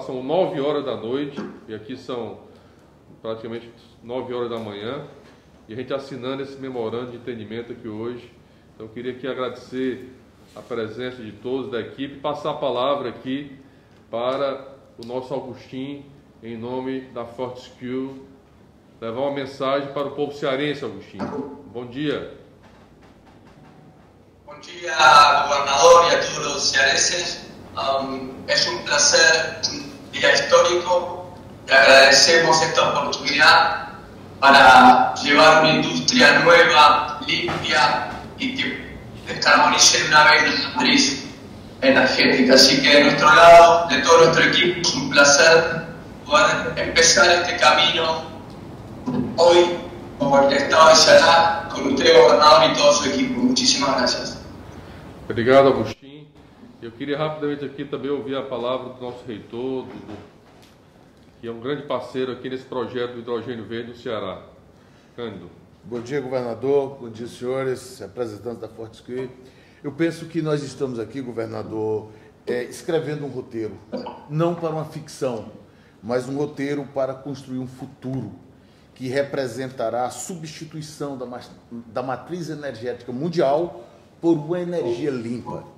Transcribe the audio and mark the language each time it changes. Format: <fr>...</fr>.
<pt>São 9 horas da noite e aqui são praticamente 9 horas da manhã, e a gente assinando esse memorando de entendimento aqui hoje. Então eu queria aqui agradecer a presença de todos da equipe e passar a palavra aqui para o nosso Agostinho, em nome da Fortescue, levar uma mensagem para o povo cearense. Agostinho, bom dia.</pt> <es>Bom dia, gobernador, y a todos los cearenses. Es un placer, un día histórico. Te agradecemos esta oportunidad para llevar una industria nueva, limpia y que descarbonice de una vez la matriz energética. Así que de nuestro lado, de todo nuestro equipo, es un placer poder empezar este camino hoy como el Estado de Ceará con usted, gobernador, y todo su equipo. Muchísimas gracias.</es> <pt>Obrigado, Agostinho. Eu queria rapidamente aqui também ouvir a palavra do nosso reitor, que é um grande parceiro aqui nesse projeto do hidrogênio verde no Ceará. Cândido. Bom dia, governador. Bom dia, senhores representantes da Fortescue. Eu penso que nós estamos aqui, governador, escrevendo um roteiro, não para uma ficção, mas um roteiro para construir um futuro que representará a substituição da matriz energética mundial por uma energia limpa.</pt>